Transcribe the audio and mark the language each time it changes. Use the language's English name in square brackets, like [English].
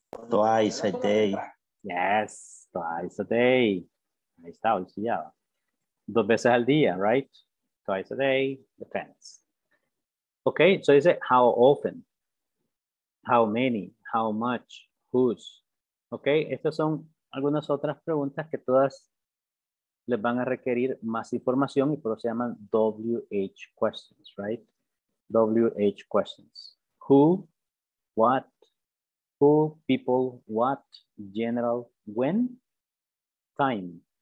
[English] Twice a day. Yes, twice a day. [Spanish] Ahí está, hoy sí ya. Dos veces al día, [English] right? Twice a day, depends. Okay, so you say how often, how many, how much, whose. [Spanish] Okay, estas son algunas otras preguntas que todas les van a requerir más información y por eso se llaman WH questions, right? [English] WH questions. Who, what, who, people, what, general, when, time.